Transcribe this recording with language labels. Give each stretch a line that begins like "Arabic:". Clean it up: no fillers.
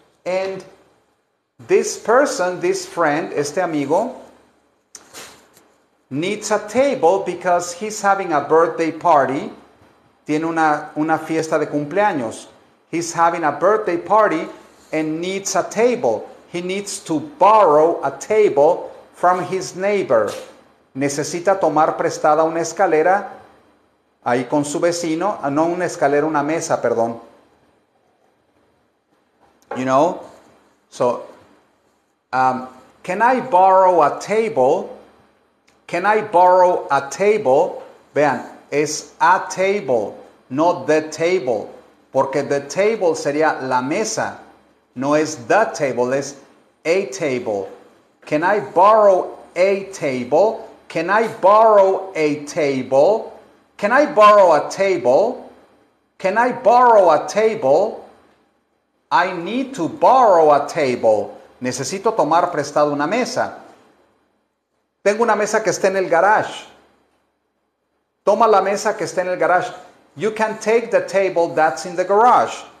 English: And this person, this friend,
Spanish: este amigo,
English: needs a table because he's having a birthday party.
Spanish: Tiene una fiesta de cumpleaños.
English: He's having a birthday party and needs a table. He needs to borrow a table from his neighbor.
Spanish: Necesita tomar prestada una escalera ahí con su vecino. No una escalera, una mesa, perdón.
English: You know? So, can I borrow a table? Can I borrow a table?
Spanish: Vean, es
English: a table, not the table.
Spanish: Porque the table sería la mesa. No es the table, es a table.
English: Can I borrow a table? Can I borrow a table? Can I borrow a table? Can I borrow a table? I need to borrow a table.
Spanish: Necesito tomar prestado una mesa. Tengo una mesa que está en el garage. Toma la mesa que está en el garage.
English: You can take the table that's in the garage.